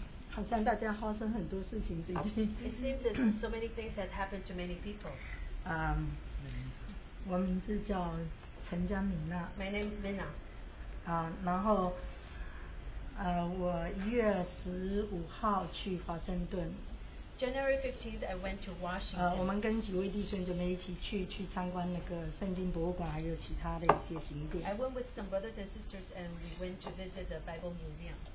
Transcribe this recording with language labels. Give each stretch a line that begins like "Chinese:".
Chinese: 好像大家发生很多事情最近。
English: It seems that so many things have happened to many people.
Chinese: 我名字叫陈江敏娜。
English: My name is Minna.
Chinese: 然后我 1月15号去华盛顿。
English: January 15th, I went to Washington.
Chinese: 我们跟几位弟兄姐妹一起去参观那个圣经博物馆，还有其他的一些景点。
English: I went with some brothers and sisters, and we went to visit the Bible Museum.